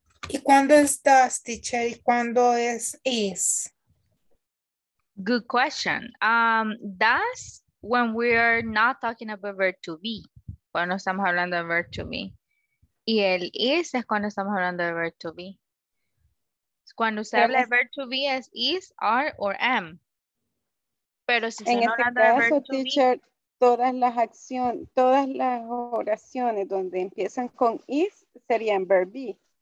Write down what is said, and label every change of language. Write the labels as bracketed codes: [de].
[es] ¿Y cuándo es does, teacher? ¿Y cuándo es is? [en] Good question. Does when we are not talking about verb to be. [es] Cuando estamos hablando de verb to be. Y el is es cuando estamos hablando de verb to be. Cuando se habla de verb to be es is, are, or am. Pero si en este caso, teacher, todas las acciones, todas las oraciones donde empiezan con is serían verb be.